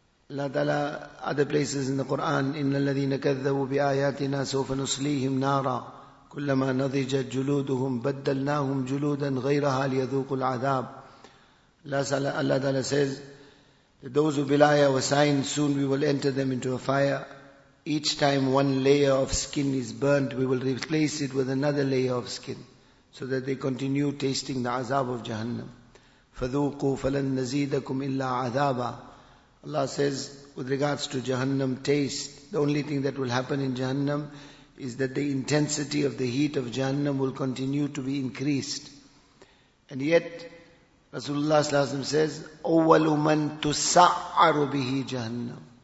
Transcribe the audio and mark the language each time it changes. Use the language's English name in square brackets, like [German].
[English] Allah Ta'ala, other places in the Qur'an, [Arabic] إِنَّ الَّذِينَ كَذَّبُوا بِآيَاتِنَا سَوْفَ نُصْلِيهِمْ نَارًا كلما نضجت جلودهم بدلناهم جلودا غيرها ليذوقوا العذاب. [English] Allah Ta'ala says that those who belie our sign, soon we will enter them into a fire. Each time one layer of skin is burnt, we will replace it with another layer of skin, so that they continue tasting the azab of Jahannam. [Arabic] فذوقوا فلن نزيدكم إلا عذابا. [English] Allah says with regards to Jahannam, taste. The only thing that will happen in Jahannam is that the intensity of the heat of Jahannam will continue to be increased. And yet, Rasulullah sallallahu alayhi wa sallam says, [Arabic] أَوَّلُ مَن تُسَعَّرُ بِهِ جَهَنَّمُ.